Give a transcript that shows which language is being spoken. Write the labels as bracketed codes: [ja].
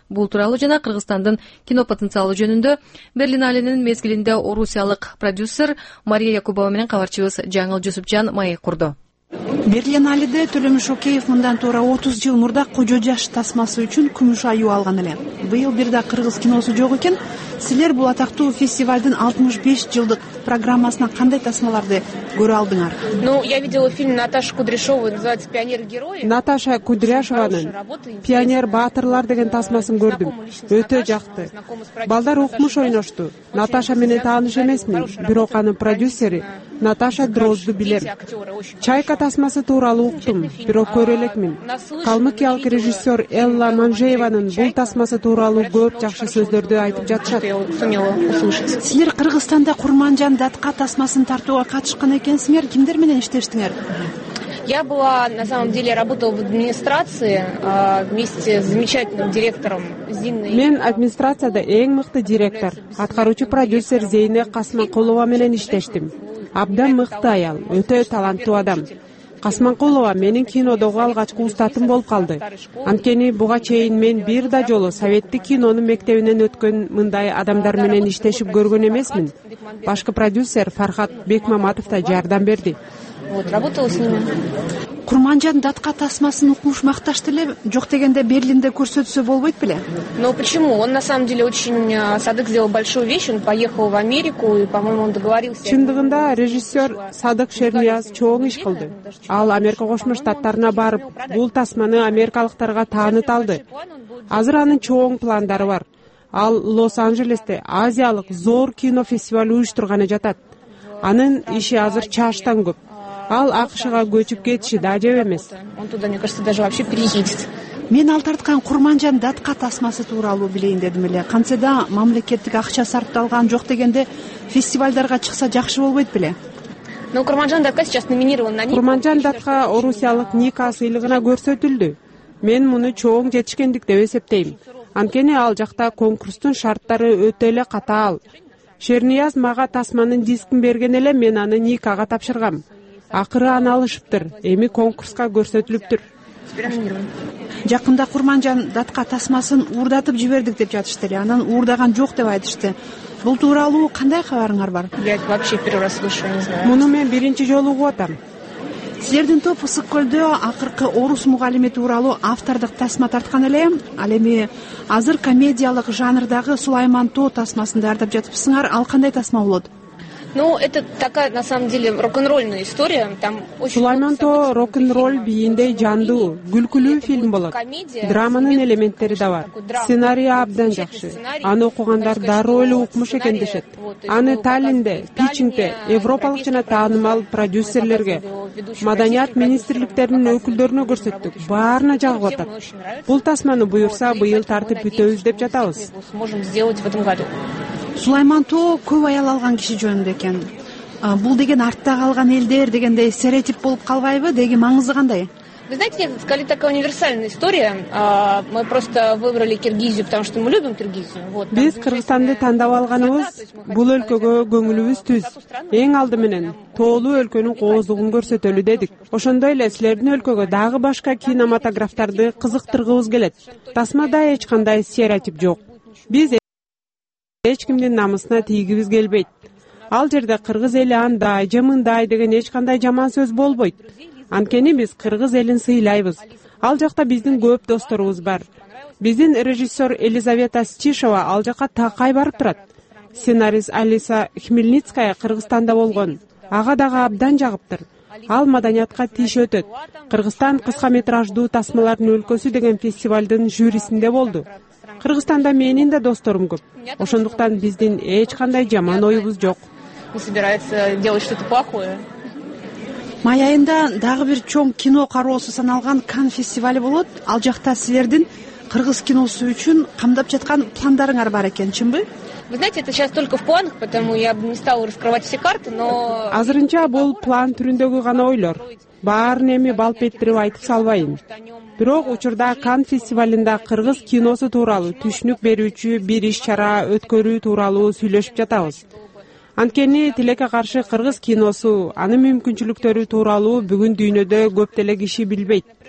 [ky] Бул тууралуу жана Кыргызстандын кино потенциалы жөнүндө Берлиналенин мезгилинде орусиялык продюсер Мария Якуб баа менен кабарчыбыз Жаңыл Жусупжан маек курду. Берлиналеде Төлөмүш Океев мындан туура 30 жыл мурда Кожо Жаш тасмасы үчүн күмүш аюу алган эле. Быйыл бир да кыргыз киносу жок экен. Силер бул атактуу фестивалдын 65 жылдык программасына кандай тасмаларды көрө алдыңар? [ru] Ну, я видела фильм Наташи Кудряшовой, называется «Пионер герои». [ky] Наташа Кудряшованын «Пионер баатырлар» деген тасмасын көрдүм. Өтө жакты. Балдар укмуш ойношту. Наташа менен тааныш эмесмин, бирок анын продюсери Наташа Дрозду билем. Чайка тасмасы тууралуу уктум, бирок көрө элекмин. Калмыкиялык режиссер Элла Манжееванын бул тасмасы тууралуу көп жакшы сөздөрдү айтып жатышат. Силер Кыргызстанда Курманжан Датка тасмасын тартууга катышкан экенсиңер, кимдер менен иштештиңер? [ru] Я была, на самом деле, работала в администрации вместе с замечательным директором Зиной. [ky] Мен администрацияда эң мыкты директор, аткаруучу продюсер Зейне Касмакулова менен иштештим. Абдан мыкты аял, өтө таланттуу адам. Касманкулова менин кинодогу алгачкы устатым болуп калды. Анткени буга чейин мен бир да жолу советтик кинонун мектебинен өткөн мындай адамдар менен иштешип көргөн эмесмин. Башкы продюсер Фархат Бекмаматов да жардам берди. [ru] Вот, работал с ними. [ky] Курманжан датка тасмасын укмуш макташты эле, жок дегенде Берлинде көрсөтсө болбойт беле? [ru] Но почему? Он на самом деле очень Садык сделал большую вещь, он поехал в Америку и, по-моему, он договорился. [ky] Чындыгында режиссер Садык Шернияз чоң иш кылды. Ал Америка Кошмо Штаттарына барып, бул тасманы америкалыктарга тааныталды. Азыр анын чоң пландары бар. Ал Лос-Анжелесте азиялык зор кинофестиваль уюштурганы жатат. Анын иши азыр чаштан көп. Ал АКШга көчүп кетиши да ажеп эмес. [ru] Он туда, мне кажется, даже вообще переедет. [ky] Мен ал тарткан Курманжан датка тасмасы тууралуу билейин дедим эле. Кантсе да мамлекеттик акча сарпталган жок дегенде фестивалдарга чыкса жакшы болбойт беле? [ru] Но Курманжан датка сейчас номинирован на них. [ky] Курманжан датка орусиялык Ника сыйлыгына көрсөтүлдү. Мен муну чоң жетишкендик деп эсептейм. Анткени ал жакта конкурстун шарттары өтө эле катаал. Шернияз мага тасманын дискин берген эле мен аны Никага тапшыргам. Акыры аны алышыптыр, эми конкурска көрсөтүлүптүр. Жакында Курманжан датка тасмасын уурдатып жибердик деп жатышты эле, анан уурдаган жок деп айтышты. Бул тууралуу кандай кабарыңар бар? [ru] Я вообще первый раз слышу, не знаю. [ky] Муну мен биринчи жолу угуп атам. Силердин топ Ысык Көлдө акыркы орус мугалими тууралуу автордук тасма тарткан эле, ал эми азыр комедиялык жанрдагы Сулайман Тоо тасмасын даярдап жатыпсыңар, ал кандай тасма болот? [ru] Ну, это такая, на самом деле, рок-н-ролльная история. Там очень [ky] Сулайман Тоо рок-н-ролль бийиндей жандуу, күлкүлүү фильм болот. Драманын элементтери да бар. Сценарий абдан жакшы. Аны окугандар дароо эле укмуш экен дешет. Аны Таллинде, Пичингде, европалык жана таанымал продюсерлерге, маданият министрликтеринин өкүлдөрүнө көрсөттүк. Баарына жагып атат. Бул тасманы буюрса, быйыл тартып бүтөбүз деп жатабыз. Сулайман Тоо көп аял алган киши жөнүндө экен. Бул деген артта калган элдер дегендей стереотип болуп калбайбы? Деги маңызы кандай? [ru] Вы знаете, это какая-то такая универсальная история. Мы просто выбрали Киргизию, потому что мы любим Киргизию. Вот. [ky] Биз Кыргызстанды тандап алганыбыз бул өлкөгө көңүлүбүз түз. Эң алды менен тоолуу өлкөнүн кооздугун көрсөтөлү дедик. Ошондой эле силердин өлкөгө дагы башка кинематографтарды кызыктыргыбыз келет. Тасмада эч кандай стереотип жок. Биз эч кимдин намысына тийгибиз келбейт. Ал жерде кыргыз эли андай же мындай деген эч кандай жаман сөз болбойт. Анткени биз кыргыз элин сыйлайбыз. Ал жакта биздин көп досторубуз бар. Биздин режиссер Елизавета Стишева ал жака такай барып турат. Сценарист Алиса Хмельницкая Кыргызстанда болгон. Ага дагы абдан жагыптыр. Ал маданиятка тийиш өтөт. Кыргызстан кыска метраждуу тасмалардын өлкөсү деген фестивалдын жюрисинде болду. Кыргызстанда менин да досторум көп. Ошондуктан биздин эч кандай жаман оюбуз жок. [ru] Не собирается делать что-то плохое. [ky] Май айында дагы бир чоң кино кароосу саналган Кан фестивалы болот. Ал жакта силердин кыргыз киносу үчүн камдап жаткан пландарыңар бар экен, чынбы? [ru] Вы знаете, это сейчас только в планах, поэтому я бы не стала раскрывать все карты, но [ky] азырынча бул план түрүндөгү гана ойлор. Баарын эми балп беттирип айтып салбайын. Бирок учурда Кан фестивалында кыргыз киносу тууралуу түшүнүк берүүчү бир иш-чара өткөрүү тууралуу сүйлөшүп жатабыз. Анткени тилекке каршы кыргыз киносу, анын мүмкүнчүлүктөрү тууралуу бүгүн дүйнөдө көп деле киши билбейт.